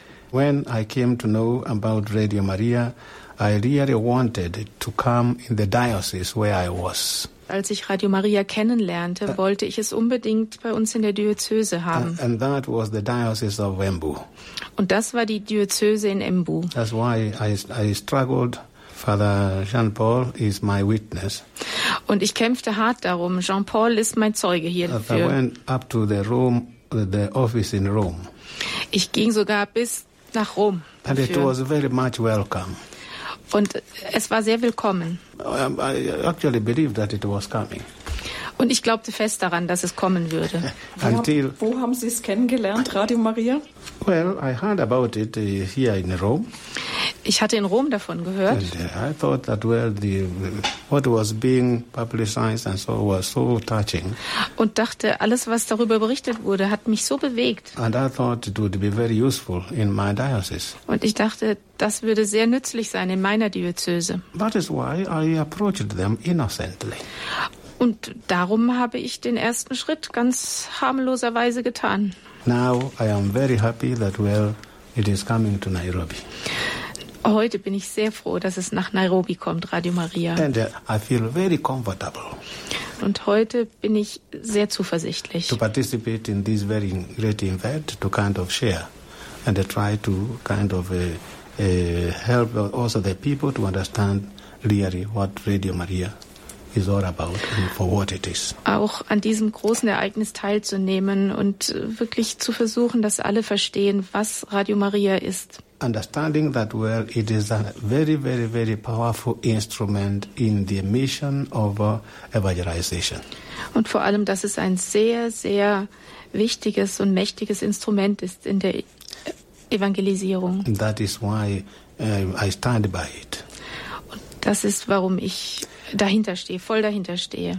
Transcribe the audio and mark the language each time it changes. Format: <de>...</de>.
<en>When I came to know about Radio Maria, I really wanted to come in the diocese where I was.</en> <de>Als ich Radio Maria kennenlernte, wollte ich es unbedingt bei uns in der Diözese haben.</de> <en>And that was the diocese of Embu.</en> <de>Und das war die Diözese in Embu.</de> <en>That's why I struggled. Father Jean-Paul is my witness.</en> <de>Und ich kämpfte hart darum. Jean-Paul ist mein Zeuge hierfür.</de> <en>I went up to the Rome, the office in Rome.</en> <de>Ich ging sogar bis nach Rom.</de> <en>And it was very much welcome.</en> <de>Und es war sehr willkommen.</de> <en>I actually believed that it was coming.</en> <de>Und ich glaubte fest daran, dass es kommen würde. Wo haben Sie es kennengelernt, Radio Maria?</de> <en>Well, I heard about it here in Rome.</en> <de>Ich hatte in Rom davon gehört.</de> <en>And I thought that well, what was being publicized and so was so touching.</en> <de>Und dachte, alles, was darüber berichtet wurde, hat mich so bewegt.</de> <en>And I thought it would be very useful in my diocese.</en> <de>Und ich dachte, das würde sehr nützlich sein in meiner Diözese.</de> <en>That is why I approached them innocently.</en> <de>Und darum habe ich den ersten Schritt ganz harmloserweise getan.</de> <en>Now I am very happy that well, it is coming to Nairobi.</en> <de>Heute bin ich sehr froh, dass es nach Nairobi kommt, Radio Maria.</de> <en>And I feel very comfortable.</en> <de>Und heute bin ich sehr zuversichtlich.</de> <en>To participate in this very great event, to kind of share and try to kind of help also the people to understand really what Radio Maria is all about and for what it is.</en> <de>Auch an diesem großen Ereignis teilzunehmen und wirklich zu versuchen, dass alle verstehen, was Radio Maria ist.</de> <en>Understanding that well, it is a very, very, very powerful instrument in the mission of evangelization.</en> <de>Und vor allem, dass es ein sehr, sehr wichtiges und mächtiges Instrument ist in der Evangelisierung.</de> <en>And that is why I stand by it.</en> <de>Und das ist, warum ich voll dahinter stehe.</de>